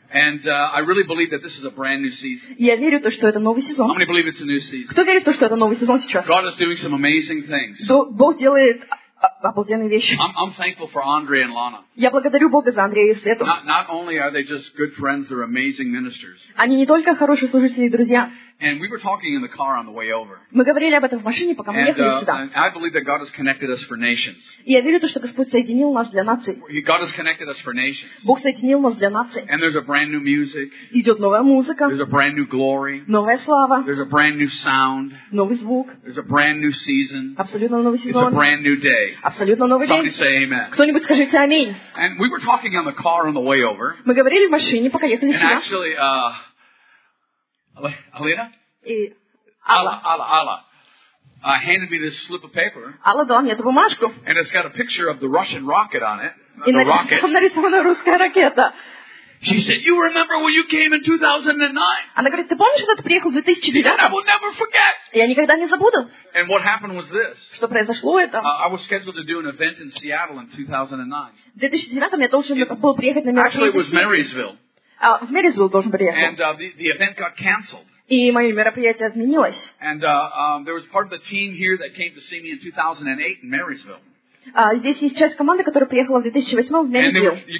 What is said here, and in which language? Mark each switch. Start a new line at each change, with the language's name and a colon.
English: And I really believe that this is a brand new season.
Russian: Я верю в то, что это новый сезон.
English: How many believe it's a new season?
Russian: Кто верит в то, что это новый сезон сейчас?
English: God is doing some amazing things.
Russian: Бог делает обалденные вещи.
English: I'm thankful for Andre and Lana.
Russian: Я благодарю Бога за Андрея и Свету.
English: Not only are they just good friends, they're amazing ministers.
Russian: Они не только хорошие служители и друзья.
English: And we were talking in the car on the way over.
Russian: Мы говорили об этом в машине, пока мы ехали сюда.
English: And I believe that God has connected us for nations.
Russian: Я верю в то, что Господь соединил нас для наций.
English: God has connected us for nations.
Russian: Бог соединил нас для наций.
English: And there's a brand new music.
Russian: Идет новая музыка.
English: There's a brand new glory.
Russian: Новая слава.
English: There's a brand new sound.
Russian: Новый звук.
English: There's a brand new season.
Russian: Абсолютно новый сезон.
English: It's a brand new day.
Russian: Абсолютно новый день.
English: Somebody say amen.
Russian: Кто-нибудь скажите аминь.
English: And we were talking on the car on the way over.
Russian: Мы говорили в машине, пока ехали сюда.
English: And actually, Alina?
Russian: Алла.
English: Handed me this slip of paper.
Russian: Алла дала мне эту бумажку.
English: And it's got a picture of the Russian rocket on it.
Russian: Там нарисована русская ракета.
English: She said, "You remember when you came in 2009?"
Russian: Она говорит, ты помнишь, когда ты приехал в 2009?
English: I will never forget.
Russian: Я никогда не забуду.
English: And what happened was this?
Russian: Что произошло это?
English: I was scheduled to do an event in Seattle in 2009.
Russian: В 2009 я должен был приехать на мероприятие.
English: Actually, it was Marysville.
Russian: В Marysville должен был приехать.
English: And the event got canceled.
Russian: И мое мероприятие отменилось.
English: And there was part of the team here that came to see me in 2008 in Marysville.
Russian: Здесь есть часть команды, которая приехала в 2008 в Мэрисвилл